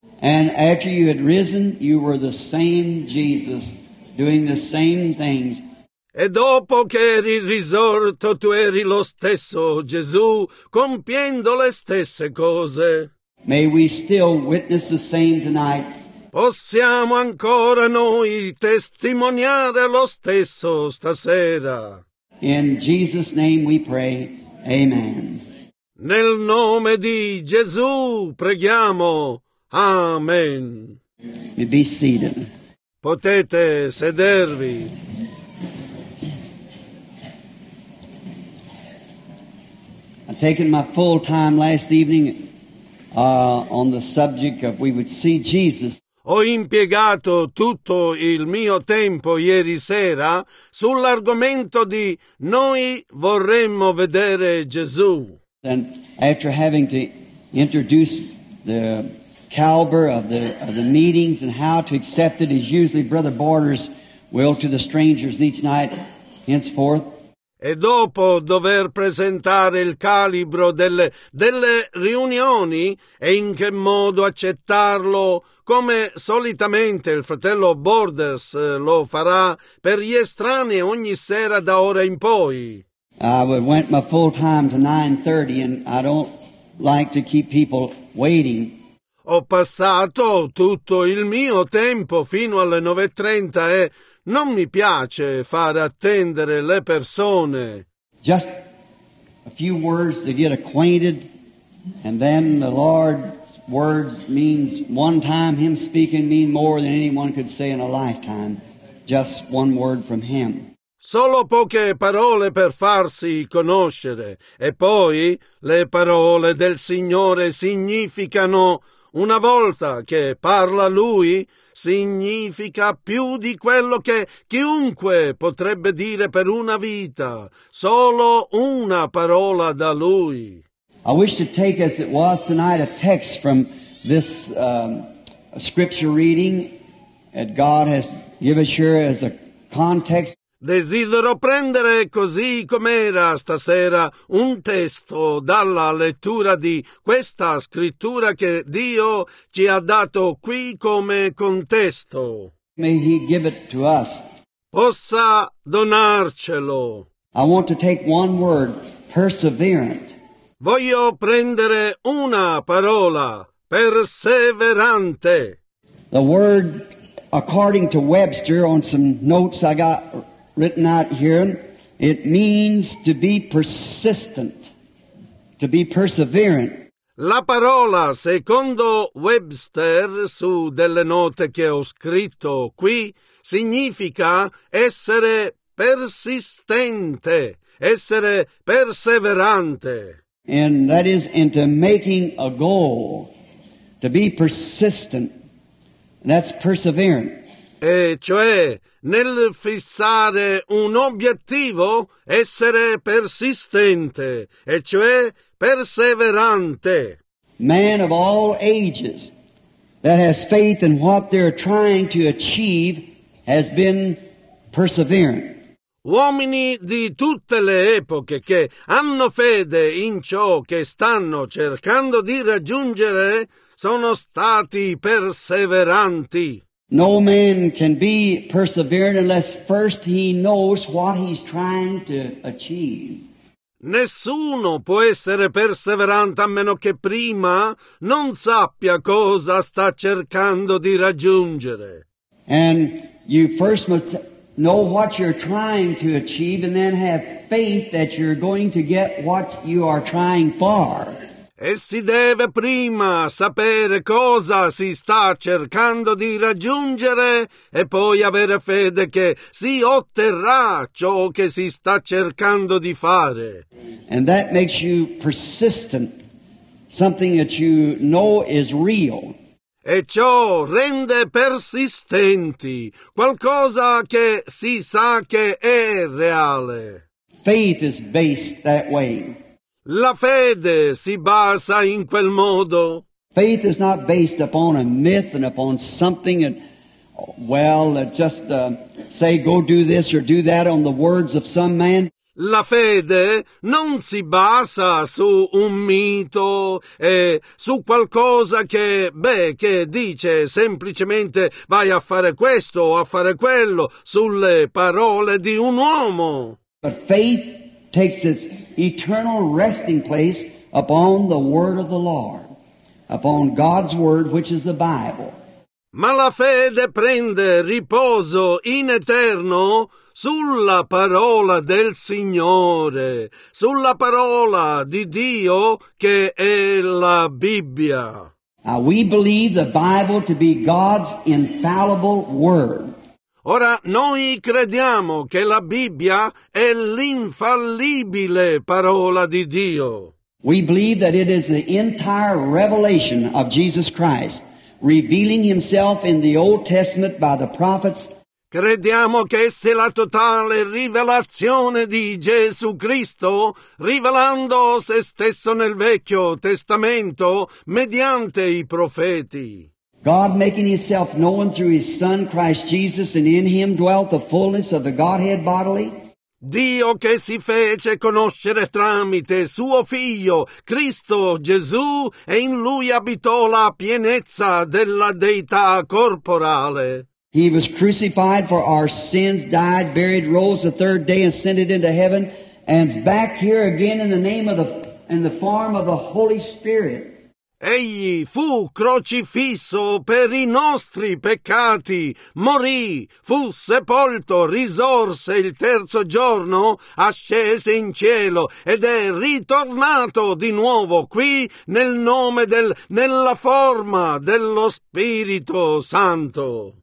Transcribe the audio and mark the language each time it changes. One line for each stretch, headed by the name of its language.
English: And after you had risen, you were the same Jesus doing the same things.
Italian: E dopo che eri risorto, tu eri lo stesso Gesù compiendo le stesse cose.
English: May we still witness the same tonight.
Italian: Possiamo ancora noi testimoniare lo stesso stasera.
English: In Jesus' name we pray. Amen.
Italian: Nel nome di Gesù preghiamo. Amen.
English: You be seated.
Italian: Potete sedervi.
English: I've taken my full time last evening on the subject of we would see Jesus.
Italian: Ho impiegato tutto il mio tempo ieri sera sull'argomento di noi vorremmo vedere Gesù.
English: And after having to introduce the caliber of the meetings and how to accept it, as usually Brother Borders will to the strangers each night henceforth.
Italian: E dopo dover presentare il calibro delle riunioni e in che modo accettarlo, come solitamente il fratello Borders lo farà per gli estranei ogni sera da ora in poi.
English: I went my full time to 9:30 and I don't like to keep people waiting.
Italian: Ho passato tutto il mio tempo fino alle 9:30 e non mi piace far attendere le persone.
English: Just a few words to get acquainted, and then the Lord's words means one time Him speaking mean more than anyone could say in a lifetime. Just one word from Him.
Italian: Solo poche parole per farsi conoscere, e poi le parole del Signore significano, una volta che parla Lui, significa più di quello che chiunque potrebbe dire per una vita, solo una parola da Lui.
English: I wish to take, as it was tonight, a text from this scripture reading that God has given us here as a context.
Italian: Desidero prendere così com'era stasera un testo dalla lettura di questa scrittura che Dio ci ha dato qui come contesto.
English: May He give it to us.
Italian: Possa donarcelo.
English: I want to take one word, perseverant.
Italian: Voglio prendere una parola, perseverante.
English: The word, according to Webster, on some notes I got written out here, it means to be persistent, to be perseverant.
Italian: La parola, secondo Webster, su delle note che ho scritto qui, significa essere persistente, essere perseverante.
English: And that is into making a goal, to be persistent, that's perseverant.
Italian: E cioè, nel fissare un obiettivo, essere persistente, e cioè perseverante.
English: Man of all ages that has faith in what they're trying to achieve has been perseverant.
Italian: Uomini di tutte le epoche che hanno fede in ciò che stanno cercando di raggiungere sono stati perseveranti.
English: No man can be persevering unless first he knows what he's trying to achieve.
Italian: Nessuno può essere perseverante a meno che prima non sappia cosa sta cercando di raggiungere.
English: And you first must know what you're trying to achieve and then have faith that you're going to get what you are trying for.
Italian: E si deve prima sapere cosa si sta cercando di raggiungere e poi avere fede che si otterrà ciò che si sta cercando di fare.
English: And that makes you persistent, something that you know is real.
Italian: E ciò rende persistenti qualcosa che si sa che è reale.
English: Faith is based that way.
Italian: La fede si basa in quel modo.
English: Faith is not based upon a myth and upon something and, well, just say go do this or do that on the words of some man.
Italian: La fede non si basa su un mito e su qualcosa che dice semplicemente vai a fare questo o a fare quello sulle parole di un uomo.
English: But faith takes its eternal resting place upon the word of the Lord, upon God's word, which is the Bible.
Italian: Ma la fede prende riposo in eterno sulla parola del Signore, sulla parola di Dio che è la Bibbia.
English: Now we believe the Bible to be God's infallible word.
Italian: Ora, noi crediamo che la Bibbia è l'infallibile parola di Dio.
English: We believe that it is the entire revelation of Jesus Christ, revealing himself in the Old Testament by the prophets.
Italian: Crediamo che esse la totale rivelazione di Gesù Cristo, rivelando se stesso nel Vecchio Testamento mediante i profeti.
English: God making himself known through his Son Christ Jesus, and in him dwelt the fullness of the Godhead bodily.
Italian: Dio che si fece conoscere tramite suo figlio, Cristo Gesù, e in lui abitò la pienezza della Deità corporale.
English: He was crucified for our sins, died, buried, rose the third day, ascended into heaven, and's back here again in the name of the in the form of the Holy Spirit.
Italian: Egli fu crocifisso per i nostri peccati, morì, fu sepolto, risorse il terzo giorno, ascese in cielo ed è ritornato di nuovo qui nel nome del nella forma dello Spirito Santo.